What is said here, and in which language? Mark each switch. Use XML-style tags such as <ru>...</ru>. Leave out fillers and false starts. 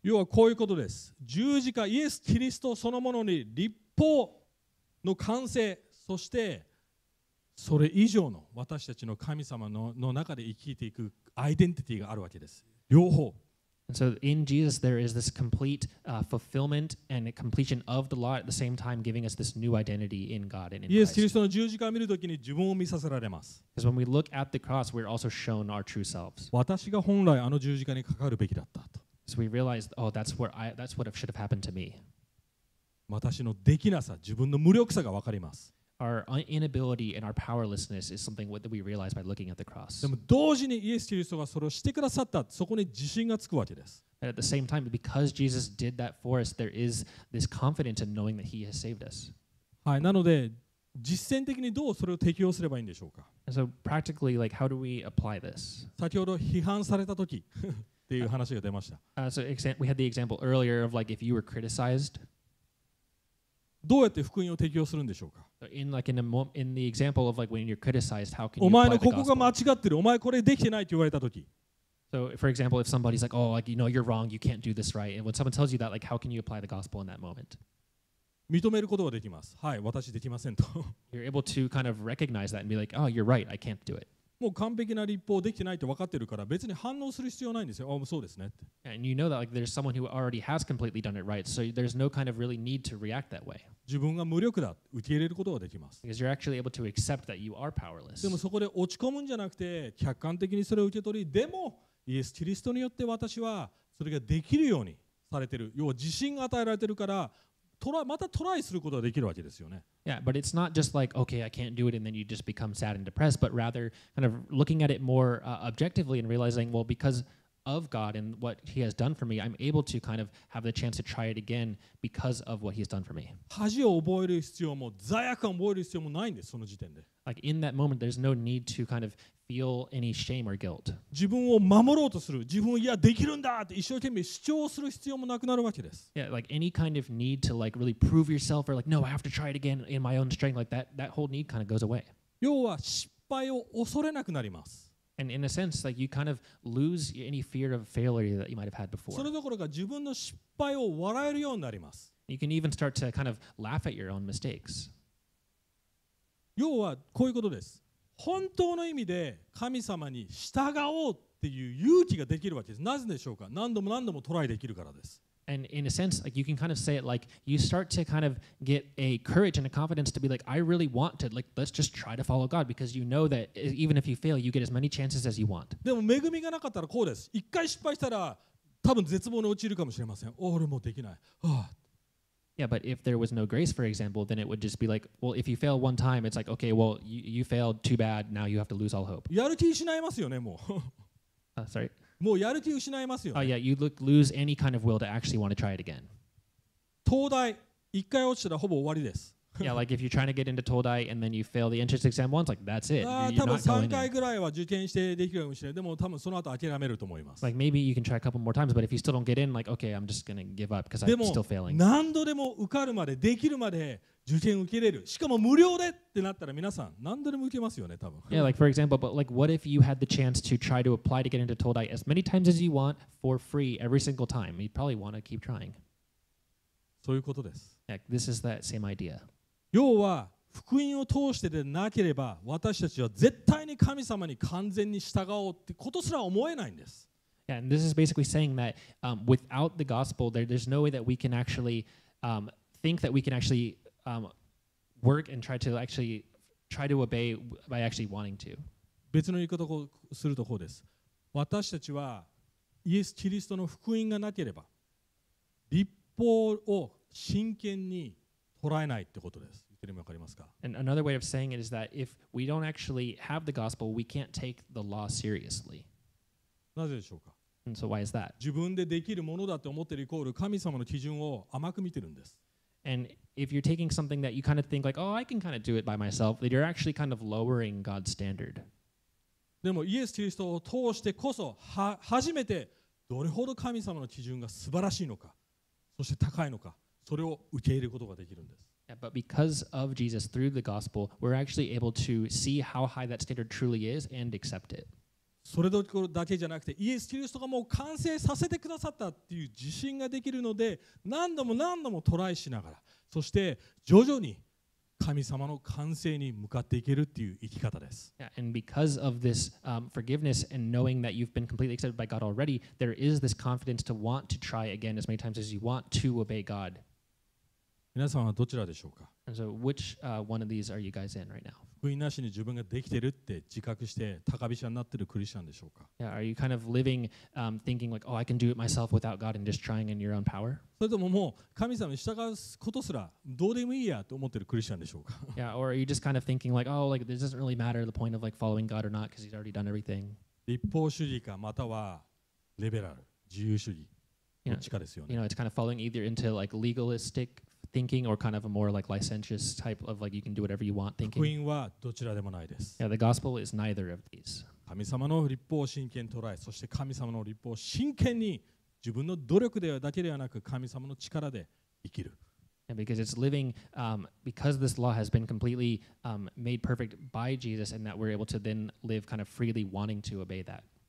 <ja>要はこういうことです。十字架、イエス・キリストそのものに律法の完成、そしてそれ以上の私たちの神様の中で生きていくアイデンティティがあるわけです。両方。</ja> <en>And so in Jesus there is this complete fulfillment and completion of the law at the same time giving us this new identity in God and in Christ.</en> <ja>イエス・キリストの十字架を見るときに自分を見させられます。</ja> <en>Because when we look at the cross, we're also shown our true selves.</en> <ja>私が本来あの十字架にかかるべきだったと。</ja> <en>So we realize, oh, that's what should have happened to me.</en> <ja>私のできなさ、自分の無力さがわかります。</ja> <en>Our inability and our powerlessness is something that we realize by looking at the cross.</en> <ja>でも同時にイエス・キリストがそれをしてくださった、そこに自信がつくわけです。</ja> <en>And at the same time, because Jesus did that for us, there is this confidence in knowing that he has saved us.</en> <ja>はい、なので実践的にどうそれを適用すればいいんでしょうか。</ja> <en>So practically, like, how do we apply this?</en> <ja>先ほど批判された時っていう話が出ました。</ja> <en>So we had the example earlier of like if you were criticized.</en> <ja>どうやって福音を適用するんでしょうか。</ja> <en>In like in the example of like when you're criticized, how can you apply the gospel?</en> <ja>お前のここが間違ってる。お前これできてないって言われた時。</ja> <en>So for example, if somebody's like, oh, like you know, you're wrong. You can't do this right. And when someone tells you that, like, how can you apply the gospel in that moment?</en> <ja>認めることはできます。はい、私できませんと。</ja> <en>You're able to kind of recognize that and be like, oh, you're right, I can't do it.</en> <ja>もう完璧な立法できてないって分かってるから、別に反応する必要ないんですよ。あ、そうですね。</ja> <en>And you know that like there's someone who already has completely done it right, so there's no kind of really need to react that way.</en> <ja>自分が無力だ、受け入れることはできます。</ja> <en>Because you're actually able to accept that you are powerless.</en> <ja>でもそこで落ち込むんじゃなくて、客観的にそれを受け取り、でもイエス・キリストによって私はそれができるようにされてる。要は自信が与えられてるから、またトライすることができるわけですよね。</ja> <en>Yeah, but it's not just like, okay, I can't do it, and then you just become sad and depressed, but rather kind of looking at it more objectively and realizing, well, because of God and what He has done for me, I'm able to kind of have the chance to try it again because of what He's done for me.</en> <ja>恥を覚える必要も、罪悪感を覚える必要もないんです、その時点で。</ja> <en>Like in that moment, there's no need to kind of feel any shame or guilt.</en> <ja>自分を守ろうとする、自分をいやできるんだって一生懸命主張する必要もなくなるわけです。</ja> <en>Yeah, like any kind of need to like really prove yourself or like no, I have to try it again in my own strength, like that whole need kind of goes away.</en> <ja>要は失敗を恐れなくなります。</ja> <en>And in a sense, like you kind of lose any fear of failure that you might have had before.</en> <ja>それどころか自分の失敗を笑えるようになります。</ja> <en>You can even start to kind of laugh at your own mistakes.</en> <ja>要はこういうことです。本当の意味で神様に従おうっていう勇気ができるわけです。なぜでしょうか。何度も何度もトライできるからです。</ja> <en>And in a sense, like you can kind of say it like you start to kind of get a courage and a confidence to be like, I really want to, like, let's just try to follow God because you know that even if you fail, you get as many chances as you want.</en> <ja>でも恵みがなかったらこうです。一回失敗したら多分絶望に陥るかもしれません。俺もできない。はあ。</ja> <en>Yeah, but if there was no grace, for example, then it would just be like, well, if you fail one time, it's like, okay, well, you failed, too bad, now you have to lose all hope.</en> <ja>やる気失いますよね、もう。</ja> <en>Sorry?</en> <ja>もうやる気失いますよね。</ja> <en>Yeah, you lose any kind of will to actually want to try it again.</en> <ja>東大、一回落ちたらほぼ終わりです。</ja> <en>Yeah, like if you're trying to get into 東大 and then you fail the entrance exam once, like that's it. You're not going in.</en> <ja>多分3回ぐらいは受験してできるかもしれない。でも多分その後諦めると思います。</ja> <en>Like maybe you can try a couple more times, but if you still don't get in, like okay, I'm just gonna give up because I'm still failing.</en> <ja>でも何度でも受かるまでできるまで受験受けれる。しかも無料でってなったら皆さん何度でも受けますよね、多分。</ja> <en>Yeah, like for example, but like what if you had the chance to try to apply to get into 東大 as many times as you want for free every single time? You'd probably want to keep trying.</en> <ja>そういうことです。</ja> <en>Yeah, this is that same idea.</en> <ja>要は福音を通してでなければ私たちは絶対に神様に完全に従おうってことすら思えないんです。</ja> <en>Yeah, and this is basically saying that without the gospel, there's no way that we can actually think that we can actually work and try to obey by actually wanting to.</en> <ja>別の言い方をするとこうです。私たちはイエス・キリストの福音がなければ律法を真剣に捉えないってことです。</ja> <en>And another way of saying it is that if we don't actually have the gospel, we can't take the law seriously.</en> <ja>なぜでしょうか?</ja> <en>And so why is that?</en> <ja>自分でできるものだと思ってるイコール神様の基準を甘く見てるんです。</ja> <en>And if you're taking something that you kind of think like, oh, I can kind of do it by myself, that you're actually kind of lowering God's standard.</en> <ja>でもイエス・キリストを通してこそ初めてどれほど神様の基準が素晴らしいのか、そして高いのか、それを受け入れることができるんです。</ja> <en>Yeah, but because of Jesus through the gospel, we're actually able to see how high that standard truly is and accept it.</en> <ja>それだけじゃなくて、イエス・キリストがもう完成させてくださったっていう自信ができるので、何度も何度もトライしながら、そして徐々に神様の完成に向かっていけるっていう生き方です。</ja> <en>Yeah, and because of this forgiveness and knowing that you've been completely accepted by God already, there is this confidence to want to try again as many times as you want to obey God.</en> <ja>皆さんはどちらでしょうか?</ja> <en>And so which one of these are you guys in right now?</en> <ja>福音なしに自分ができてるって自覚して高飛車になってるクリスチャンでしょうか?</ja> <en>Yeah, are you kind of living thinking like, oh, I can do it myself without God and just trying in your own power?</en> <ja>それとももう神様に従うことすらどうでもいいやと思ってるクリスチャンでしょうか?</ja> <en>Yeah, or are you just kind of thinking like, oh, like this doesn't really matter the point of like following God or not because he's already done everything?</en> <ja>立法主義かまたはリベラル、自由主義どっちかですよね。</ja> <en>You know, it's kind of falling either into like legalistic thinking or kind of a more like licentious type of like you can do whatever you want thinking.</en> <ja>福音はどちらでもないです。</ja> <en>Yeah, the gospel is neither of these.</en> <ja>神様の律法を真剣に捉え、そして神様の律法を真剣に自分の努力ではだけではなく神様の力で生きる。</ja> <en>And because it's living, because this law has been completely made perfect by Jesus, and that we're able to then live kind of freely, wanting to obey that.</en>